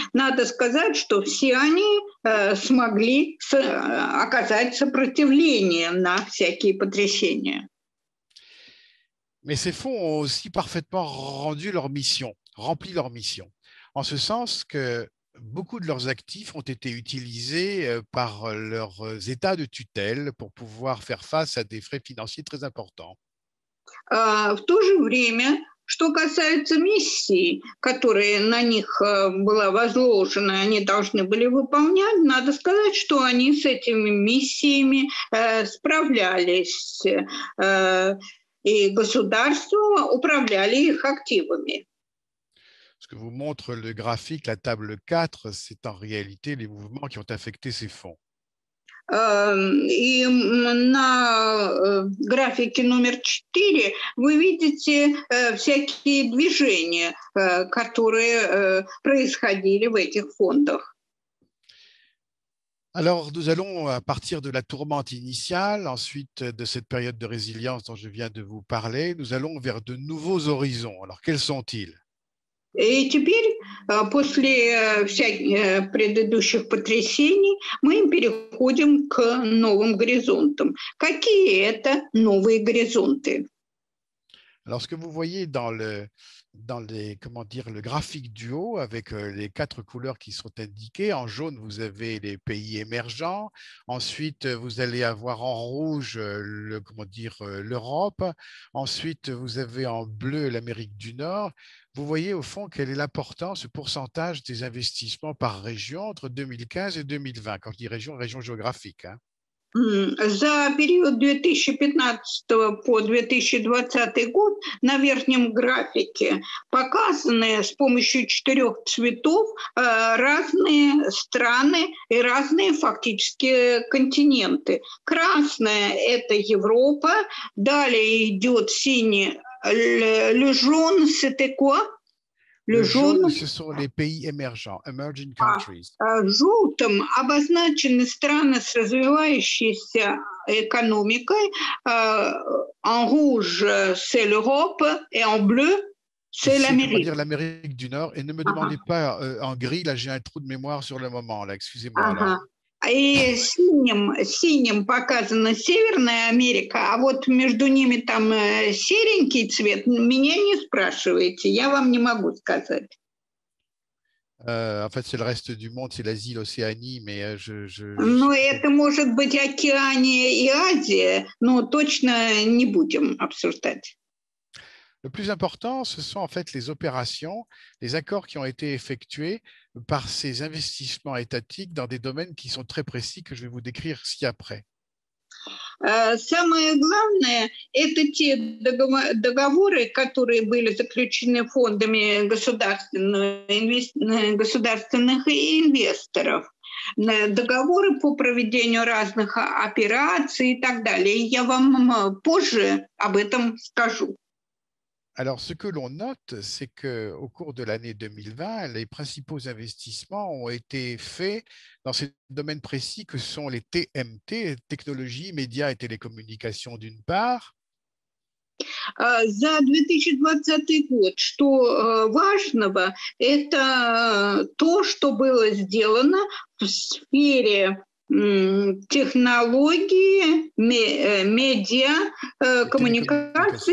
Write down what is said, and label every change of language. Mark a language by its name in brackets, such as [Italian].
[Russian] Надо сказать, что все они смогли оказать сопротивление на всякие потрясения. [French] Mais ces fonds ont aussi parfaitement rendu leur mission, rempli leur mission, en ce sens que beaucoup de leurs actifs ont été utilisés par leurs états de tutelle pour pouvoir faire face à des frais financiers très importants. [Russian] В то же время, что касается миссии, которая на них была возложена, они должны были выполнять, надо сказать, что они с этими миссиями справлялись. [French] Et les gouvernements leurs actifs. Ce que vous montre le graphique, la table 4, c'est en réalité les mouvements qui ont affecté ces fonds. [Russian] На графике номер 4 вы видите всякие движения, которые происходили в этих фондах. [French] Alors, nous allons, à partir de la tourmente initiale, ensuite de cette période de résilience dont je viens de vous parler, nous allons vers de nouveaux horizons. Alors, quels sont-ils? [Russian] Et теперь, после всяких предыдущих потрясений, мы переходим к новым горизонтам. Какие это новые горизонты? [French] Alors, ce que vous voyez comment dire, le graphique du haut avec les quatre couleurs qui sont indiquées. En jaune, vous avez les pays émergents. Ensuite, vous allez avoir en rouge comment dire, l'Europe. Ensuite, vous avez en bleu l'Amérique du Nord. Vous voyez au fond quelle est l'importance, ce pourcentage des investissements par région entre 2015 et 2020. Quand je dis région, région géographique, hein. [Russian] За период 2015 по 2020 год на верхнем графике показаны с помощью четырех цветов разные страны и разные фактически континенты. Красная – это Европа, далее идет синий – [French] «Le jaune, c'était quoi?» Le jaune, ce sont les pays émergents, [English] emerging countries. [Russian] Желтым обозначены страны с развивающейся экономикой. [French] En rouge, c'est l'Europe. Et en bleu, c'est l'Amérique. C'est-à-dire l'Amérique du Nord. Et ne me demandez pas en gris, là j'ai un trou de mémoire sur le moment. Excusez-moi. [Russian] Et синим показана Северная Америка, а вот между ними там серенький цвет. Меня не спрашивайте, я вам не могу сказать. [French] En fait, c'est le reste du monde, c'est l'Asie, l'Océanie, mais [Russian] Но это может быть Океания и Азия, но точно не будем обсуждать. [French] Le plus important, ce sont en fait les opérations, les accords qui ont été effectués par ces investissements étatiques dans des domaines qui sont très précis, que je vais vous décrire ci-après. [Russian] Самое главное, это те договоры, которые были заключены фондами государственных инвесторов. Договоры по проведению разных операций и так далее. Я вам позже об этом скажу. [French] Alors, ce que l'on note, c'est qu'au cours de l'année 2020, les principaux investissements ont été faits dans ces domaines précis que sont les TMT, technologies, médias et télécommunications d'une part. [Russian] За 2020 год, что важного, это то, что было сделано в сфере технологии, медиа, [French] Les [Russian] коммуникации